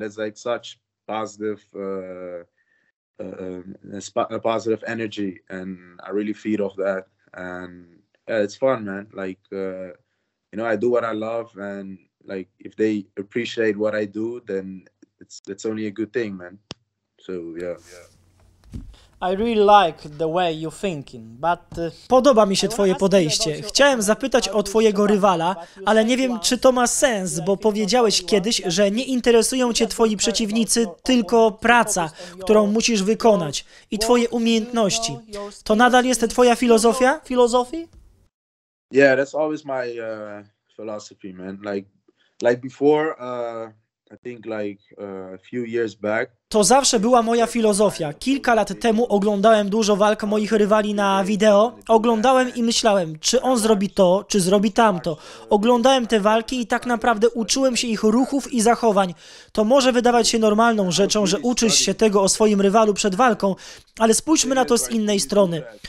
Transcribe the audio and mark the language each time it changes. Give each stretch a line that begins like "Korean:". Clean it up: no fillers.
English: It's like such positive. A positive energy, and I really feed off that. And yeah, it's fun, man. Like, you know, I do what I love, and like, if they appreciate what I do, then it's only a good thing, man. So yeah. I really like the way you're thinking, but
Polish: podoba mi się twoje podejście. Chciałem zapytać o twojego rywala, ale nie wiem, czy to ma sens, bo powiedziałeś kiedyś, że nie interesują cię twoi przeciwnicy, tylko praca, którą musisz wykonać i twoje umiejętności. To nadal jest twoja filozofia?
English: Yeah, that's always my philosophy, man. Like before, I think like a few years back.
Polish: To zawsze była moja filozofia. Kilka lat temu oglądałem dużo walk moich rywali na wideo. Oglądałem i myślałem, czy on zrobi to, czy zrobi tamto. Oglądałem te walki i tak naprawdę uczyłem się ich ruchów i zachowań. To może wydawać się normalną rzeczą, że uczysz się tego o swoim rywalu przed walką, ale spójrzmy na to z innej strony.